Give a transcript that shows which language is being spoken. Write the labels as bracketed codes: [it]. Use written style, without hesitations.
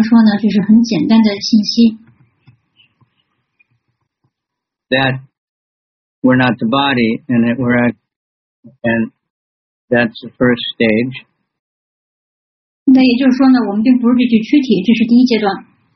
[zh] 但是其实实际上来说呢，就是很简单的信息。 [en] That we're not the body, and that we're, and that's the first stage. [zh] 那也就是说呢，我们并不是这具躯体，这是第一阶段。